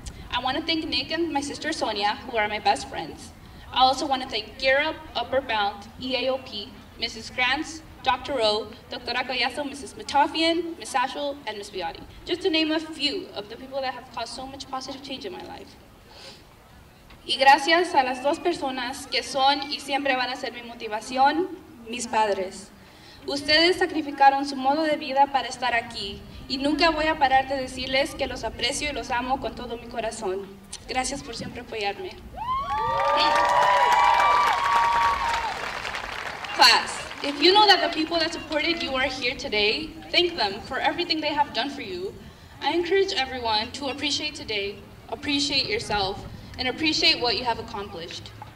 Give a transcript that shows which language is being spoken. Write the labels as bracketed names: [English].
[English] I want to thank Nick and my sister Sonia, who are my best friends. I also want to thank Gear Up, Upper Bound, EAOP, Mrs. Grants, Dr. O, Dr. Acoyazo, Mrs. Matafian, Ms. Ashwell, and Ms. Biotti, just to name a few of the people that have caused so much positive change in my life. [Spanish] Y gracias a las dos personas que son y siempre van a ser mi motivación, mis padres. Ustedes sacrificaron su modo de vida para estar aquí, y nunca voy a parar de decirles que los aprecio y los amo con todo mi corazón. Gracias por siempre apoyarme. [English] Class, if you know that the people that supported you are here today, thank them for everything they have done for you. I encourage everyone to appreciate today, appreciate yourself, and appreciate what you have accomplished.